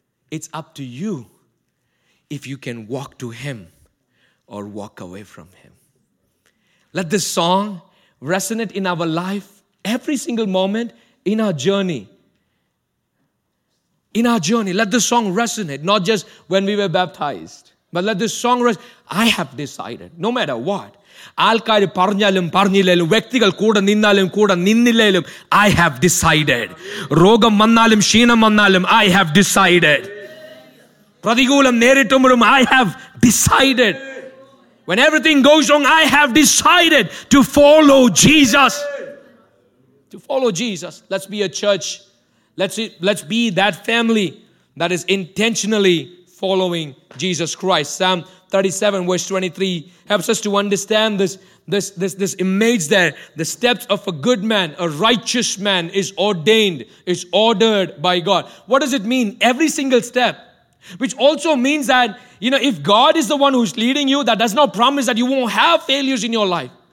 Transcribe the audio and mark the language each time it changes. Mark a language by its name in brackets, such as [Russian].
[English] It's up to you if you can walk to Him or walk away from Him. Let this song resonate in our life every single moment in our journey. In our journey, let this song resonate, not just when we were baptized, but let this song resonate. I have decided, no matter what, [Malayalam] ആൾക്കാർ പറഞ്ഞാലും പറഞ്ഞില്ലാലും വ്യക്തികൾ കൂടെ നിന്നാലും കൂടെ നിന്നില്ലാലും [English] I have decided. [Malayalam] രോഗം വന്നാലും ക്ഷീണം വന്നാലും [English] I have decided. [Malayalam] പ്രതികൂലം നേരിട്ടുമ്പോഴും I have decided. [English] When everything goes wrong I have decided to follow Jesus. To follow Jesus. Let's be a church. Let's be that family that is intentionally following Jesus Christ. Psalm 37 verse 23 helps us to understand this image there. The steps of a good man, a righteous man, is ordained, is ordered by God. What does it mean? Every single step. Which also means that, if God is the one who's leading you, that does not promise that you won't have failures in your life.